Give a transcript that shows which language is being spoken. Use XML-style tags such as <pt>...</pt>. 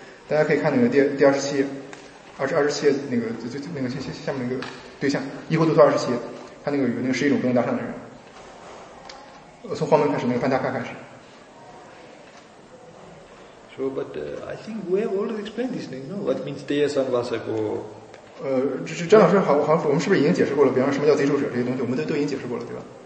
<zh>大家可以看那个第二十七页，二十七页那个就那个下面那个对象疑惑度二十七页，他那个有那个十一种不能当上的人。从黄门开始，那个班达卡开始。</zh> <en>So, but I think we have already explained this thing. No, what means Daya Sanvasako?</en> <zh>张老师好像我们是不是已经解释过了，比方说什么叫贼受者这些东西我们都已经解释过了对吧，</zh>